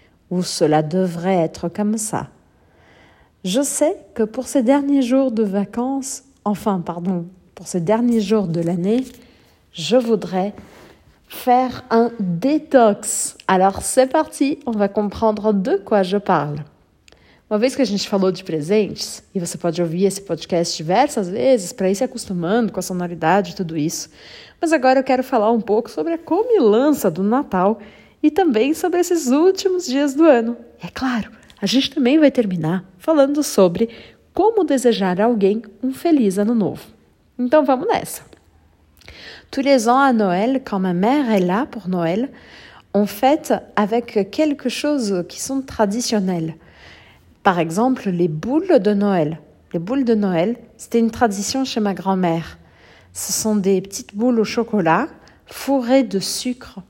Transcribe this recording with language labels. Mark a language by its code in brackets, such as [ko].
[fr] Ou cela devrait être comme ça. Je sais que pour ces derniers jours de vacances, enfin pardon, pour ces derniers jours de l'année, je voudrais faire un détox. Alors c'est parti, on va comprendre de quoi je parle. [pt] Uma vez que a gente falou de presentes, e você pode ouvir esse podcast diversas vezes para ir se acostumando com a sonoridade e tudo isso, mas agora eu quero falar um pouco sobre a comilança do Natal e também sobre esses últimos dias do ano. É claro, a gente também vai terminar falando sobre como desejar a alguém um feliz ano novo. Então vamos nessa! [fr] Tous les ans à Noël, quand ma mère est là pour Noël, on fête avec quelque chose qui sont traditionnels. Par exemple, les boules de Noël. Les boules de Noël, c'était une tradition chez ma grand-mère. Ce sont des petites boules au chocolat fourrées de sucre.